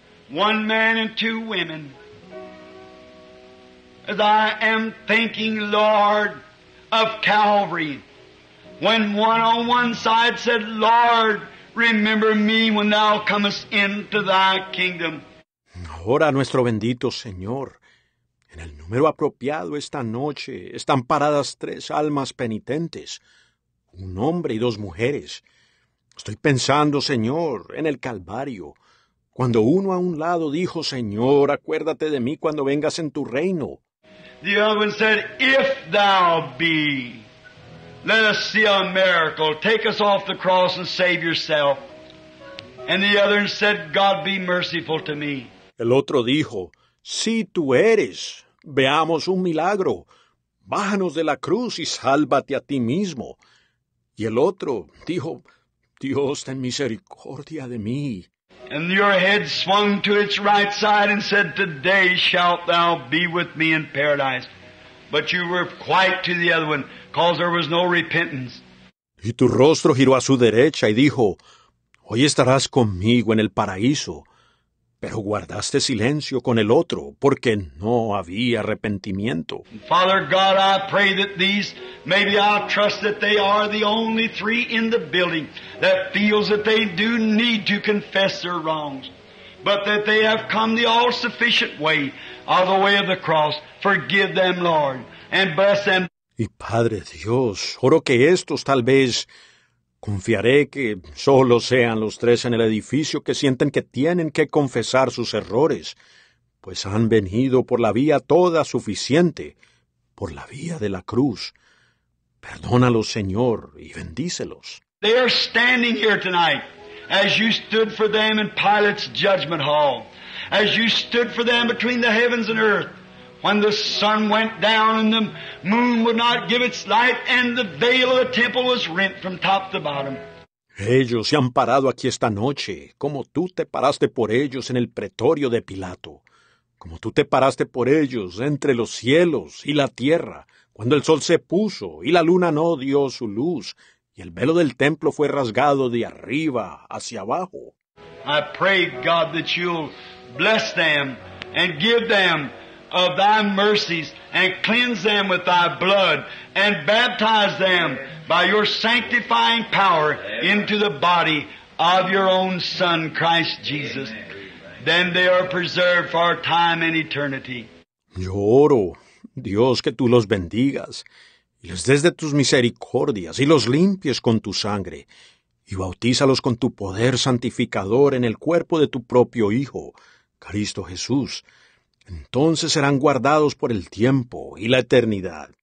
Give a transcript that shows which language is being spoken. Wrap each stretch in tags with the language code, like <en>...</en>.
<en>One man and two women. As I am thinking, Lord, of Calvary, when one on one side said, Lord, remember me when thou comest into thy kingdom.</en> <es>Ahora nuestro bendito Señor, en el número apropiado esta noche están paradas tres almas penitentes, un hombre y dos mujeres. Estoy pensando, Señor, en el Calvario, cuando uno a un lado dijo, Señor, acuérdate de mí cuando vengas en tu reino.</es> <en>The other one said, if thou be, let us see a miracle. Take us off the cross and save yourself. And the other said, God be merciful to me.</en> <es>El otro dijo, si tú eres, veamos un milagro. Bájanos de la cruz y sálvate a ti mismo. Y el otro dijo, Dios, ten misericordia de mí.</es> <en>And your head swung to its right side and said, today shalt thou be with me in paradise. But you were quiet to the other one, because there was no repentance.</en> <es>Y tu rostro giró a su derecha y dijo, hoy estarás conmigo en el paraíso. Pero guardaste silencio con el otro, porque no había arrepentimiento.</es> <en>Father God, I pray that these, maybe I trust that they are the only three in the building that feels that they do need to confess their wrongs, but that they have come the all-sufficient way of the way of the cross. Forgive them, Lord, and bless them.</en> <es>Y Padre Dios, oro que estos tal vez... Confiaré que solo sean los tres en el edificio que sienten que tienen que confesar sus errores, pues han venido por la vía toda suficiente, por la vía de la cruz. Perdónalos, Señor, y bendícelos.</es> <en>They are standing here tonight, as you stood for them in Pilate's judgment hall, as you stood for them between the heavens and earth. When the sun went down and the moon would not give its light and the veil of the temple was rent from top to bottom.</en> <es>Ellos se han parado aquí esta noche, como tú te paraste por ellos en el pretorio de Pilato. como tú te paraste por ellos entre los cielos y la tierra, cuando el sol se puso y la luna no dio su luz, y el velo del templo fue rasgado de arriba hacia abajo.</es> <en>I pray, God, that you'll bless them and give them of thy mercies and cleanse them with thy blood and baptize them by your sanctifying power into the body of your own Son, Christ Jesus. Then they are preserved for our time and eternity.</en> <es>Yo oro, Dios, que tú los bendigas, y les des de tus misericordias, y los limpies con tu sangre, y bautízalos con tu poder santificador en el cuerpo de tu propio Hijo, Cristo Jesús. Entonces serán guardados por el tiempo y la eternidad.</es>